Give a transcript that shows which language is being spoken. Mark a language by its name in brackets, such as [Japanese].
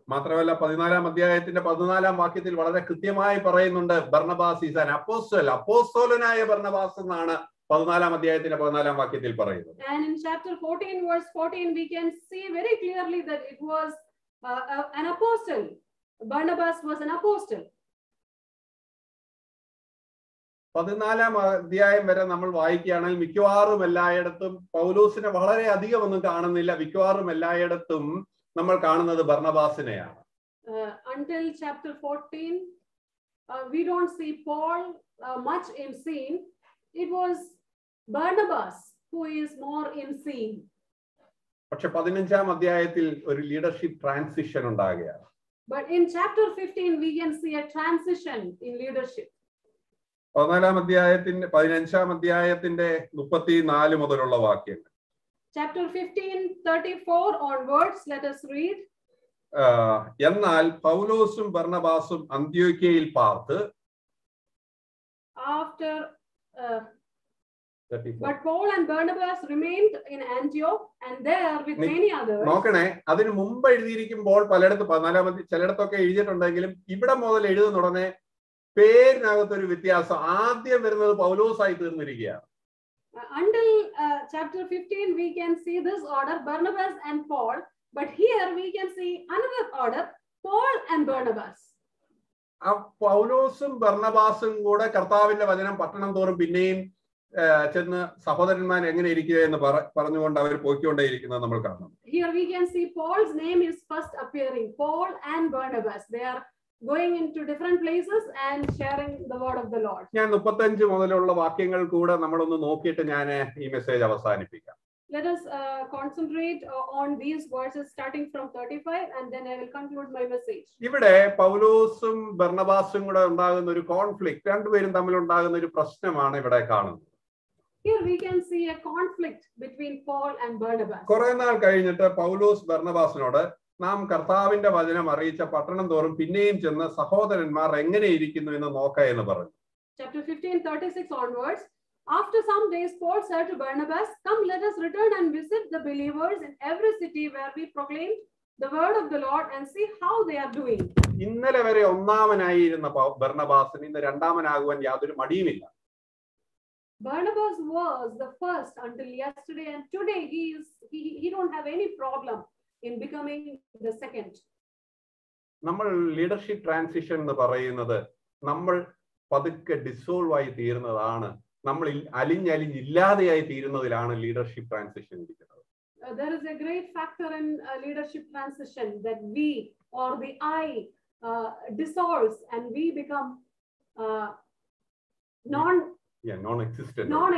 [Malayalam] മാത്രമല്ല 14-ാം അധ്യായത്തിന്റെ 14-ാം വാക്യത്തിൽ വളരെ കൃത്യമായി പറയുന്നുണ്ട് [English] Barnabas is an apostle [Malayalam] അപ്പോസ്തലനായ ബർണബാസ് എന്നാണ് 14-ാം അധ്യായത്തിന്റെ 14-ാം വാക്യത്തിൽ പറയുന്നത്. [English] And in chapter 14 verse 14 we can see very clearly that it was an apostle. Barnabas was an apostle. [Malayalam] 14-ാം അധ്യായം വരെ നമ്മൾ വായിക്കുകയാണെങ്കിൽ മിക്കവാറും എല്ലായിടത്തും പൗലോസിനെ വളരെ അധികം ഒന്നും കാണുന്നില്ല. മിക്കവാറും എല്ലായിടത്തും നമ്മൾ കാണുന്നത് ബർണബാസിനെയാണ്. [English] Until chapter 14 we don't see Paul much in scene. It was Barnabas who is more in scene. [Malayalam] പക്ഷേ 15-ാം അധ്യായത്തിൽ ഒരു leadership transition ഉണ്ടാകുകയാണ്. [English] But in chapter 15 we can see a transition in leadership. [Malayalam] 14-ാം അധ്യായത്തിന്റെ 15-ാം അധ്യായത്തിന്റെ 34 മുതലുള്ള വാക്യങ്ങൾ [English] chapter 15:34 onwards, let us read. [Malayalam] എന്നാൽ പൗലോസും ബർണബാസും അന്ത്യോക്യയിൽ പാർത്ത് [English] after but Paul and Barnabas remained in Antioch and there with many others [Malayalam] നോക്കണേ അതിനു മുൻപ് എഴുതിയിരിക്കുമ്പോൾ പലയിടത്ത് 14 മതി ചിലയിടത്തൊക്കെ എഴുതിയിട്ടുണ്ടെങ്കിലും ഇവിടെ മുതൽ എഴുതുന്ന ഉടനെ പേരിനകത്തൊരു വ്യത്യാസം ആദ്യം വരുന്നത് പൗലോസ് ആയി തീർന്നിരിക്കുകയാണ് [English] until chapter 15 we can see this order Barnabas and Paul but here we can see another order Paul and Barnabas [Malayalam] പൗലോസും ബർണബാസും കൂടെ കർത്താവിന്റെ വചനം പട്ടണം തോറും പിന്നെയും ചെന്ന് സഹോദരന്മാർ എങ്ങനെ ഇരിക്കുക എന്ന് പറഞ്ഞുകൊണ്ട് അവർ പോയിക്കൊണ്ടേയിരിക്കുന്നത് നമ്മൾ കാണുന്നു [English] Here we can see Paul's name is first appearing Paul and Barnabas they are going into different places and sharing the word of the Lord [Malayalam] ഞാൻ 35 മുതലുള്ള വാക്യങ്ങൾ കൂടെ നമ്മൾ ഒന്ന് നോക്കിയിട്ട് ഞാൻ ഈ മെസ്സേജ് അവസാനിപ്പിക്കാം [English] Let us concentrate on these verses starting from 35 and then I will conclude my message. [Malayalam] ഇവിടെ പൗലോസും ബർണബാസും കൂടെ ഉണ്ടാകുന്ന ഒരു കോൺഫ്ലിക്റ്റ് രണ്ടുപേരും തമ്മിൽ ഉണ്ടാകുന്ന ഒരു പ്രശ്നമാണ് ഇവിടെ കാണുന്നത്. [English] Here we can see a conflict between Paul and Barnabas. [Malayalam] കുറേ നാൾ കഴിഞ്ഞിട്ട് പൗലോസ് ബർണബാസിനോട് നാം കർത്താവിന്റെ വചനം അറിയിച്ച പട്ടണം തോറും പിന്നെയും ചെന്ന് സഹോദരന്മാർ എങ്ങനെ ഇരിക്കുന്നു എന്ന് നോക്കാ എന്ന് പറഞ്ഞു. [English] Chapter 15:36 onwards After some days Paul said to Barnabas come let us return and visit the believers in every city where we proclaimed the word of the Lord and see how they are doing [Malayalam] ഇന്നലെ വരെ ഒന്നാമനായി ഇരുന്ന Barnabas ഇന്ന് രണ്ടാമനാകുവാൻ യാതൊരു മടിയുമില്ല [English] Barnabas was the first until yesterday and today he don't have any problem in becoming the second [Malayalam] നമ്മൾ leadership transition എന്ന് പറയുന്നത് നമ്മൾ പതുക്കെ ഡിസോൾവ് ആയി തീരുന്നതാണ് നമ്മൾ അലിഞ്ഞലിഞ്ഞില്ലാതെയായി തീരുന്നതിലാണ് ലീഡർഷിപ്പ് ട്രാൻസിഷൻ ഇരിക്കുന്നത് [English] there is a great factor in leadership transition that we or the I dissolves and we become non-existent